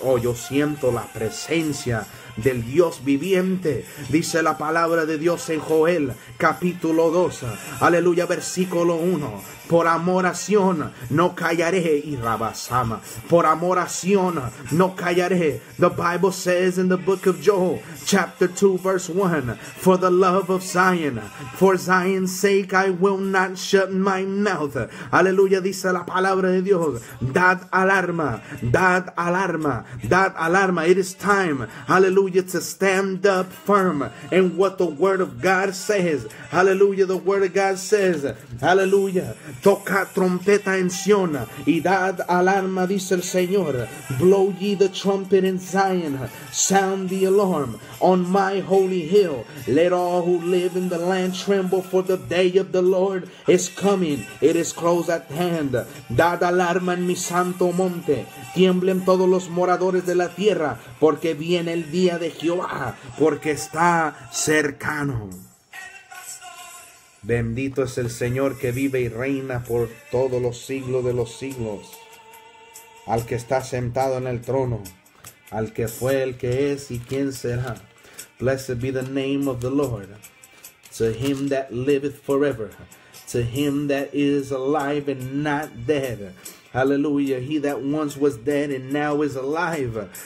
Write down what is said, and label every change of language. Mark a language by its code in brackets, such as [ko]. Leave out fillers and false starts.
[es] Oh, yo siento la presencia del Dios viviente. Dice la palabra de Dios en Joel, capítulo 2. Aleluya, versículo 1. Por amor a Sion no callaré. Y Rabasama, por amor a Sion no callaré. [en] The Bible says in the book of Joel, chapter 2, verse 1. For the love of Zion, for Zion's sake I will not shut my mouth. [es] Aleluya, dice la palabra de Dios. Dad alarma, dad alarma, dad alarma. [en] It is time, hallelujah, to stand up firm in what the word of God says. Hallelujah, the word of God says, hallelujah. [es] Toca trompeta en Sion y dad alarma, dice el Señor. [en] Blow ye the trumpet in Zion. Sound the alarm on my holy hill. Let all who live in the land tremble, for the day of the Lord is coming. It is close at hand. [es] Dad alarma en mi santo monte. Tiemblen todos los moradores de la tierra, porque viene el día de Jehová, porque está cercano. Bendito es el Señor que vive y reina por todos los siglos de los siglos. Al que está sentado en el trono. Al que fue, el que es y quien será. [en] Blessed be the name of the Lord. To him that liveth forever. To him that is alive and not dead. Hallelujah. He that once was dead and now is alive.